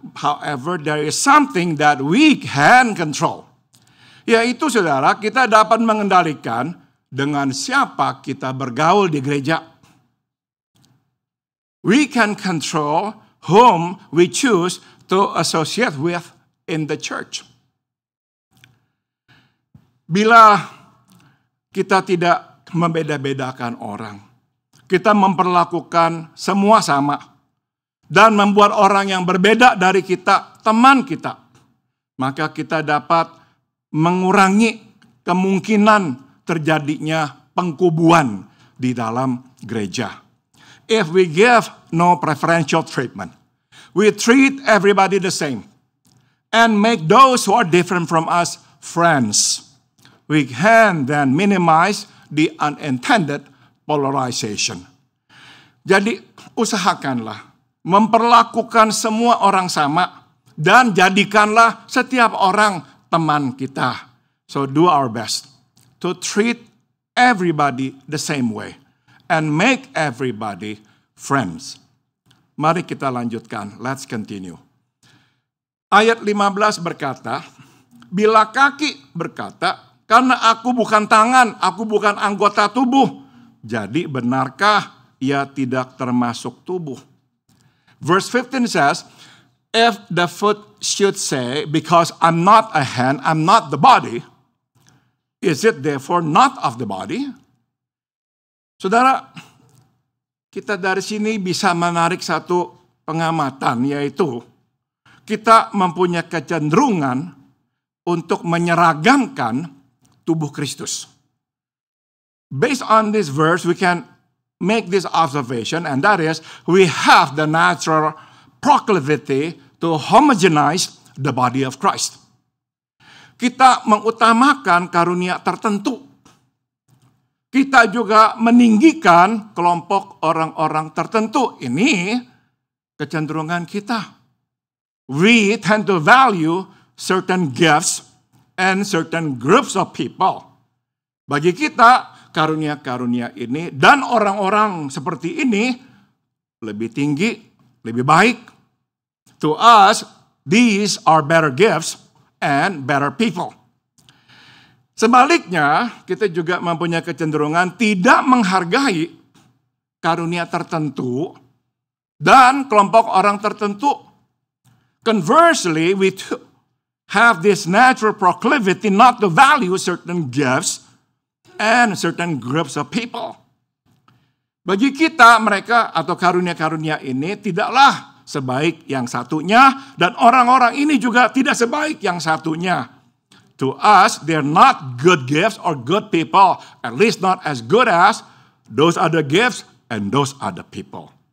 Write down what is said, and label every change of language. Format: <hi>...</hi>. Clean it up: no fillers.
<en>However, there is something that we can control.</en> <id>Yaitu, saudara, kita dapat mengendalikan dengan siapa kita bergaul di gereja.</id> <en>We can control whom we choose to associate with in the church.</en> <id>Bila kita tidak membeda-bedakan orang, kita memperlakukan semua sama, dan membuat orang yang berbeda dari kita, teman kita. Maka kita dapat mengurangi kemungkinan terjadinya pengkubuan di dalam gereja.</id> <en>If we give no preferential treatment, we treat everybody the same and make those who are different from us friends, we can then minimize the unintended polarization.</en> <id>Jadi usahakanlah memperlakukan semua orang sama dan jadikanlah setiap orang teman kita.</id> <en>So do our best to treat everybody the same way and make everybody friends.</en> <id>Mari kita lanjutkan.</id> <en>Let's continue.</en> <id>Ayat 15 berkata, bila kaki berkata, karena aku bukan tangan, aku bukan anggota tubuh, jadi benarkah ia tidak termasuk tubuh?</id> <en>Verse 15 says, if the foot should say, because I'm not a hand, I'm not the body, is it therefore not of the body?</en> <id>Saudara, kita dari sini bisa menarik satu pengamatan, yaitu kita mempunyai kecenderungan untuk menyeragamkan tubuh Kristus.</id> <en>Based on this verse, we can make this observation, and that is, we have the natural proclivity to homogenize the body of Christ.</en> <id>Kita mengutamakan karunia tertentu. Kita juga meninggikan kelompok orang-orang tertentu. Ini kecenderungan kita.</id> <en>We tend to value certain gifts and certain groups of people.</en> <id>Bagi kita, karunia-karunia ini dan orang-orang seperti ini lebih tinggi, lebih baik.</id> <en>To us, these are better gifts and better people.</en> <id>Sebaliknya, kita juga mempunyai kecenderungan tidak menghargai karunia tertentu dan kelompok orang tertentu.</id> <en>Conversely, we have this natural proclivity not to value certain gifts and certain groups of people.</en> <id>Bagi kita, mereka atau karunia-karunia ini tidaklah sebaik yang satunya, dan orang-orang ini juga tidak sebaik yang satunya.</id> <en>To us, they're not good gifts or good people, at least not as good as those other gifts and those other people.</en>